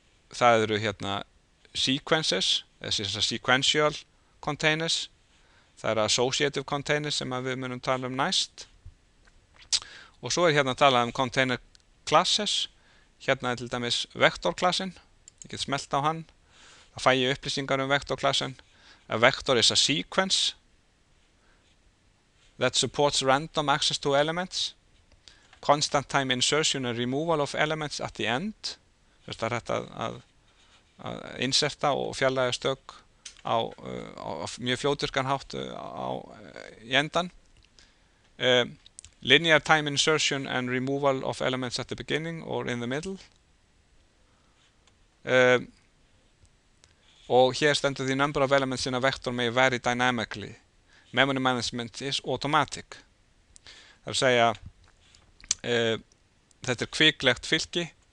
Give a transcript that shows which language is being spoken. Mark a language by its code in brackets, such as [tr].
[is] Það eru hérna sequences, þessi sequential containers. Það eru associative containers sem við munum tala um næst. Og svo er hérna talað um container classes. Hérna er til dæmis vector klasinn. Ég get smelt á hann. Það fæ ég upplýsingar um vector klasinn. [en] A vector is a sequence that supports random access to elements. Constant time insertion and removal of elements at the end. [is] Það er þetta að inserta og fjarlægja stök á mjög fljótvirkan hátt í endan. [en] Linear time insertion and removal of elements at the beginning or in the middle. [is] Og hér stendur [en] the number of elements in a vector may vary dynamically. Memory management is automatic. [is] Það er að segja, þetta er kviklegt fylki.